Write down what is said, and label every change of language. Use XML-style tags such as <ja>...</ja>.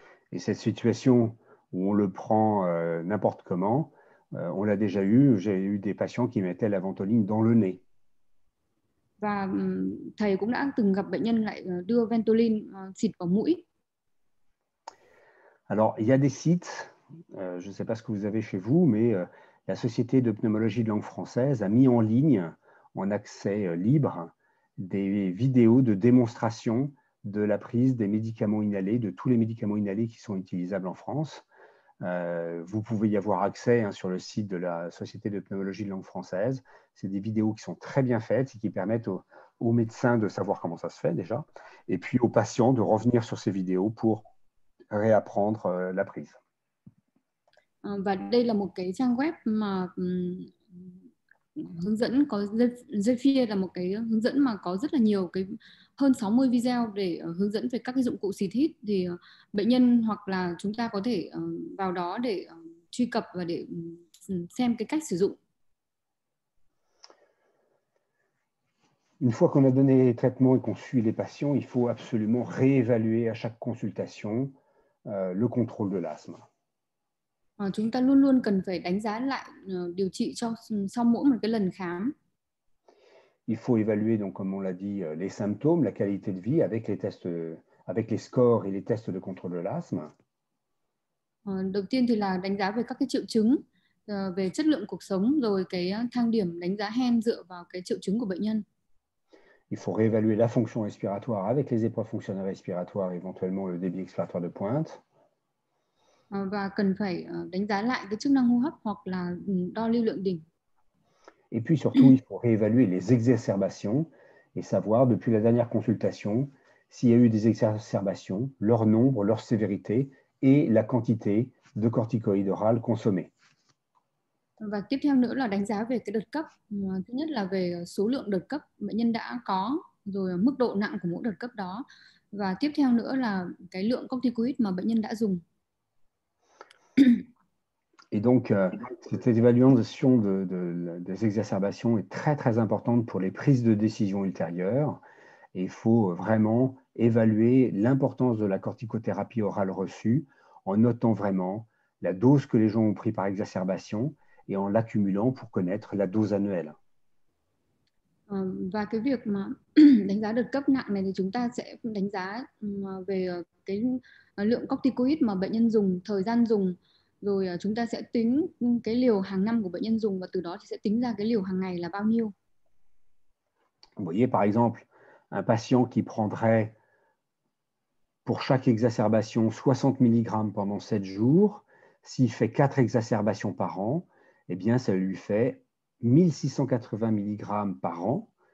<fr>Et cette situation où on le prend n'importe comment, on l'a déjà eu. J'ai eu des patients qui mettaient la Ventoline dans le nez.</fr> <vi>Và thầy cũng đã từng gặp bệnh nhân lại đưa Ventolin xịt vào mũi.</vi> <fr>Alors, il y a des sites, je ne sais pas ce que vous avez chez vous, mais la Société de pneumologie de langue française a mis en ligne, en accès libre, des vidéos de démonstration de la prise des médicaments inhalés, de tous les médicaments inhalés qui sont utilisables en France. Vous pouvez y avoir accès, hein, sur le site de la Société de pneumologie de langue française. C'est des vidéos qui sont très bien faites et qui permettent aux médecins de savoir comment ça se fait déjà, et puis aux patients de revenir sur ces vidéos pour réapprendre la prise.</fr> <vi>Và đây là một cái trang web mà hướng dẫn có Zephyr là một cái hướng dẫn mà có rất là nhiều cái hơn 60 video để hướng dẫn về các cái dụng cụ xịt hít thì bệnh nhân hoặc là chúng ta có thể vào đó để truy cập và để xem cái cách sử dụng.</vi> <fr>Une fois qu'on a donné les traitements et qu'on suit les patients, il faut absolument réévaluer à chaque consultation le contrôle de l'asthme.</fr> <vi>Chúng ta luôn luôn cần phải đánh giá lại điều trị cho sau mỗi một cái lần khám.</vi> <fr>Il faut évaluer donc, comme on l'a dit, les symptômes, la qualité de vie avec les tests, avec les scores et les tests de contrôle de l'asthme.</fr> <vi>Đầu tiên thì là đánh giá về các cái triệu chứng, về chất lượng cuộc sống, rồi cái thang điểm đánh giá hen dựa vào cái triệu chứng của bệnh nhân.</vi> <fr>Il faut réévaluer la fonction respiratoire avec les épreuves fonctionnelles respiratoires, éventuellement le débit expiratoire de pointe.</fr> <vi>Và cần phải đánh giá lại cái chức năng hô hấp hoặc là đo lưu lượng</vi> <fr>Et puis surtout,</fr> <vi>đỉnh.</vi> <fr>il faut réévaluer les exacerbations et savoir depuis la dernière consultation s'il y a eu des exacerbations, leur nombre, leur sévérité et la quantité de corticoïdes orales consommées.</fr> <vi>Và tiếp theo nữa là đánh giá về cái đợt cấp. Thứ nhất là về số lượng đợt cấp bệnh nhân đã có, rồi mức độ nặng của mỗi đợt cấp đó. Và tiếp theo nữa là cái lượng corticoid mà bệnh nhân đã dùng.</vi> <fr>Et donc, cette évaluation des exacerbations est très très importante pour les prises de décision ultérieures. Et il faut vraiment évaluer l'importance de la corticothérapie orale reçue en notant vraiment la dose que les gens ont pris par exacerbation et en l'accumulant pour connaître la dose annuelle.</fr> <vi>Và cái việc mà đánh giá đợt cấp nặng này thì chúng ta sẽ đánh giá về cái lượng corticoid mà bệnh nhân dùng, thời gian dùng, rồi chúng ta sẽ tính cái liều hàng năm của bệnh nhân dùng và từ đó thì sẽ tính ra cái liều hàng ngày là bao nhiêu.</vi> <fr>Vous voyez, par exemple, un patient qui prendrait pour chaque exacerbation 60 mg pendant 7 jours, s'il fait 4 exacerbations par an, eh bien, ça lui fait 1680 mg par an.</fr>